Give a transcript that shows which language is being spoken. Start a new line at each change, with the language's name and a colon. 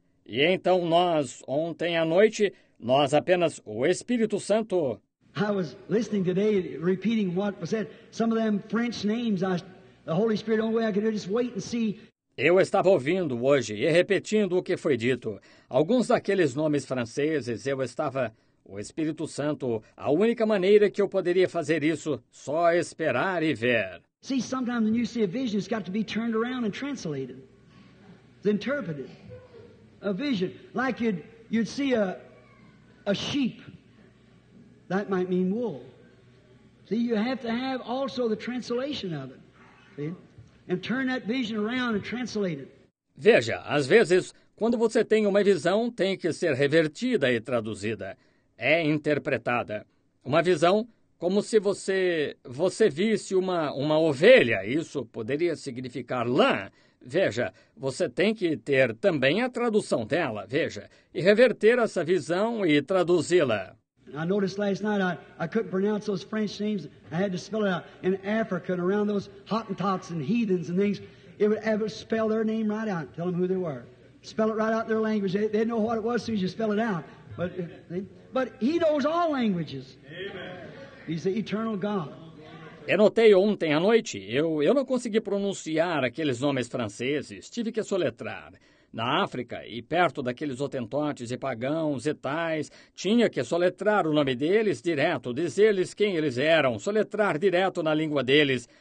Portuguese: E então nós, ontem à noite, nós apenas o Espírito Santo.
English: I was listening today, repeating what was said. Some of them French names, the Holy Spirit, only way I could just wait and see.
Portuguese: Eu estava ouvindo hoje e repetindo o que foi dito. Alguns daqueles nomes franceses, eu estava... O Espírito Santo, a única maneira que eu poderia fazer isso, só esperar e ver.
English: See, sometimes when you see a vision, it's got to be turned around and translated. It's interpreted. A vision. Like you'd see a sheep. That might mean wool. See, you have to have also the translation of it. See? And turn that vision around and translate it.
Portuguese: Veja, às vezes, quando você tem uma visão, tem que ser revertida e traduzida. É interpretada. Uma visão... Como se você visse uma ovelha, isso poderia significar lã. Veja, você tem que ter também a tradução dela, veja, e reverter essa visão e traduzi-la.
English: I noticed last night I couldn't pronounce those French names. I had to spell it out in Africa and around those Hottentots and heathens and things. It would spell their name right out, tell them who they were. Spell it right out in their language. They'd know what it was as soon as you spell it out. But He knows all languages. Amen. He's the eternal God.
Portuguese: Eu notei ontem à noite, eu não consegui pronunciar aqueles nomes franceses, tive que soletrar. Na África, e perto daqueles hotentotes e pagãos e tais, tinha que soletrar o nome deles direto, dizer-lhes quem eles eram, soletrar direto na língua deles.